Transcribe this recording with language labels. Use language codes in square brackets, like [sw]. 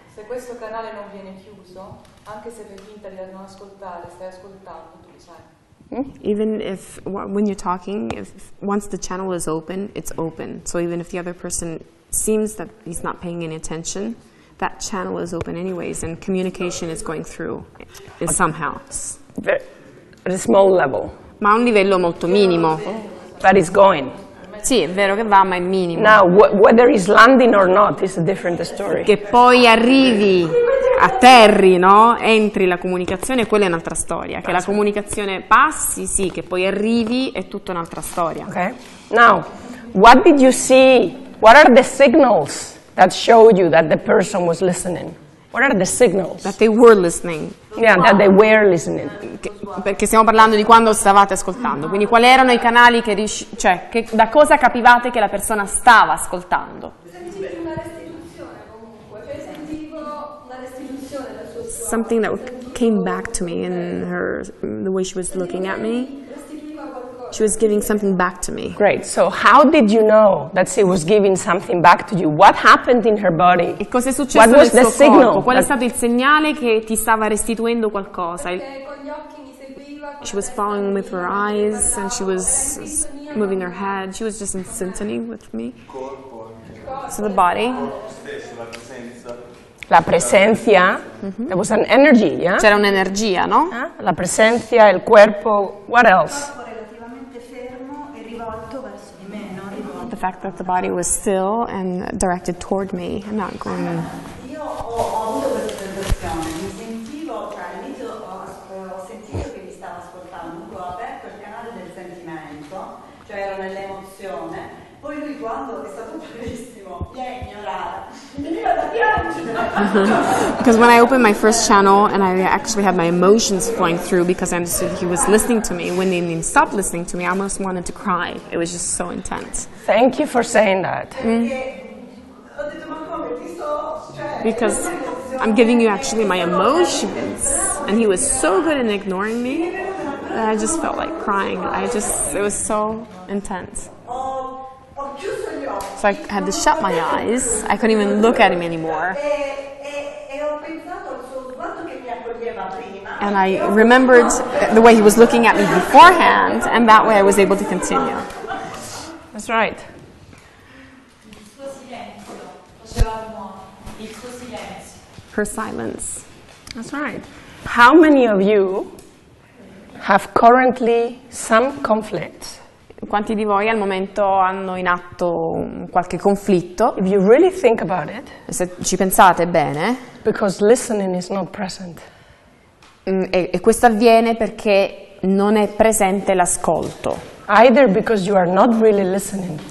[it] Se questo canale non viene chiuso, anche se fai finta di non ascoltare, stai ascoltando, tu lo sai. [en] Even if when you're talking, once the channel is open, it's open. So even if the other person seems that he's not paying any attention, that channel is open anyways, and communication is going through in somehow. At a small level. [it] Ma a un livello molto minimo. [en] But it's going. [it] Sì, è vero che va, ma è minimo. [en] Now, whether he's landing or not is a different story. [it] Che poi arrivi, atterri, no? Entri la comunicazione, quella è un'altra storia. Passo. Che la comunicazione passi, sì, che poi arrivi è tutta un'altra storia. [en] Ok. Now, what did you see? What are the signals that showed you that the person was listening? What are the signals? That they were listening. Yeah, that they were listening. [it] Perché stiamo parlando di quando stavate ascoltando. Quindi quali erano i canali che cioè, che da cosa capivate che la persona stava ascoltando? [en] Something that came back to me in her, the way she was looking at me. She was giving something back to me. Great. So how did you know that she was giving something back to you? What happened in her body? [it] E cosa è successo nel suo corpo? [en] What was the signal? [it] Qual è stato il segnale che ti stava restituendo qualcosa? [en] She was following with her eyes and she was moving her head. She was just in symphony with me. So the body. [it] La presenza. [en] There was an energy, yeah? [it] C'era un'energia, no? La presenza, il cuerpo. [en] What else? The fact that the body was still and directed toward me and not going. [it] Io ho avuto questa sensazione. Mi sentivo, cioè all'inizio ho sentito che mi stava ascoltando. Ho aperto il canale del sentimento, cioè ero nell'emozione. Poi lui quando è stato bellissimo, mi ha ignorato. Mi veniva da piangere. [en] Because when I opened my first channel and I actually had my emotions flowing through because I understood he was listening to me, when he stopped listening to me, I almost wanted to cry. It was just so intense. Thank you for saying that. Because I'm giving you actually my emotions, and he was so good in ignoring me that I just felt like crying. It was so intense. So I had to shut my eyes. I couldn't even look at him anymore. And I remembered the way he was looking at me beforehand, and that way I was able to continue. That's right. Her silence. That's right. How many of you have currently some conflict? [it] Quanti di voi al momento hanno in atto qualche conflitto? [en] If you really think about it, [it] se ci pensate bene, [en] because listening is not present. [it] E questo avviene perché non è presente l'ascolto. [en] Either because you are not really listening.